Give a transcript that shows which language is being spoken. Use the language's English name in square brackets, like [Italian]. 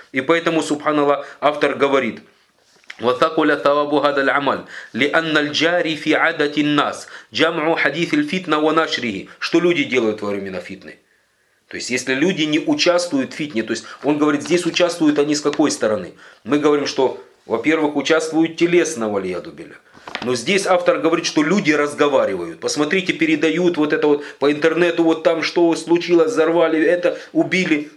[Russian] И поэтому, субханаллах, автор говорит. [Arabic] وثقل ثواب هذا العمل لأن الجاري في عادة الناس جمع حديث الفتنة ونشره. [Russian] Что люди делают во времена фитны? То есть, если люди не участвуют в фитне, то есть, он говорит, здесь участвуют они с какой стороны? Мы говорим, что, во-первых, участвуют телесно, валияду билля. Но здесь автор говорит, что люди разговаривают. Посмотрите, передают вот это вот по интернету, вот там что случилось, взорвали это, убили.